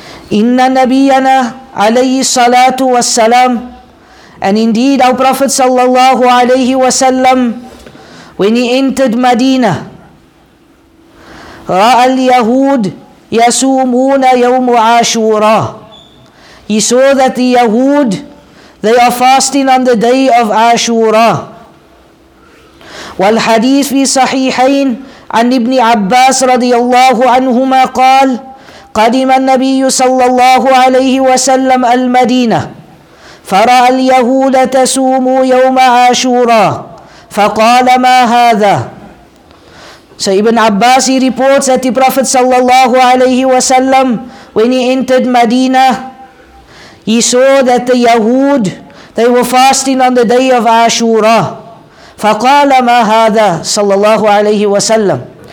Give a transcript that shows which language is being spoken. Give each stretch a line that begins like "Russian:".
Arabic: Inna Nabiyana alayhi salatu was salam,
English: and indeed our Prophet sallallahu alayhi wa sallam, when he entered Medina,
Arabic: رأى اليهود يسومون يوم عاشوراء.
English: He saw that the Yahud, they are fasting on the day of Ashura.
Arabic: والحديث في صحيحين عن ابن عباس رضي الله عنهما قال قدم النبي صلى الله عليه وسلم المدينة فرأى اليهود تسوم يوم عاشوراء فقال ما هذا.
English: So Ibn Abbas, he reports that the Prophet sallallahu alayhi wasallam, when he entered Medina, he saw that the Yahud, they were fasting on the day of Ashura.
Arabic: فَقَالَ مَا هَذَا sallallahu alayhi wasallam.